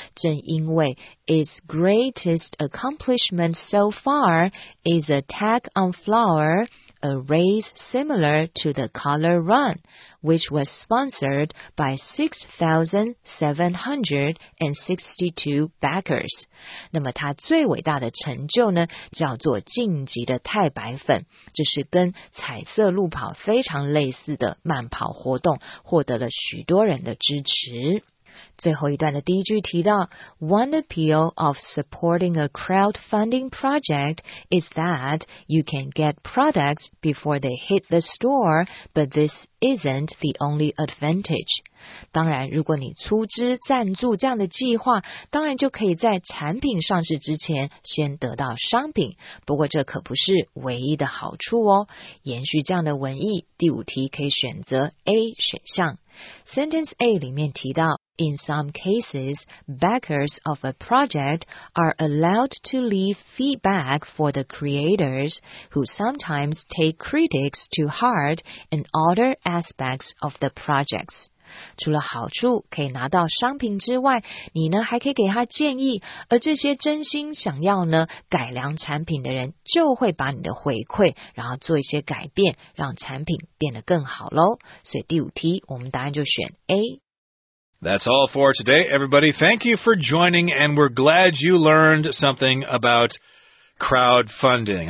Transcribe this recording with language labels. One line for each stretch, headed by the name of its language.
Chinese: 正因为
English: Its greatest accomplishment so far is a tag on flower, a race similar to the Color Run, which was sponsored by 6,762 backers。
Chinese: 那么它最伟大的成就呢，叫做晋级的太白粉，这是跟彩色路跑非常类似的慢跑活动，获得了许多人的支持。最后一段的第一句提到
English: One appeal of supporting a crowdfunding project is that you can get products before they hit the store, but this isn't the only advantage.
Chinese: 当然如果你出资赞助这样的计划，当然就可以在产品上市之前先得到商品，不过这可不是唯一的好处哦。延续这样的文意，第五题可以选择 A 选项。
English: Sentence A
Chinese: 里面提到
English: In some cases, backers of a project are allowed to leave feedback for the creators, who sometimes take critics to heart in other aspects of the projects.
Chinese: 除了好处可以拿到商品之外，你呢还可以给他建议，而这些真心想要呢改良产品的人就会把你的回馈然后做一些改变，让产品变得更好咯。所以第五题我们答案就选 A。
English: That's all for today, everybody. Thank you for joining, and we're glad you learned something about crowdfunding.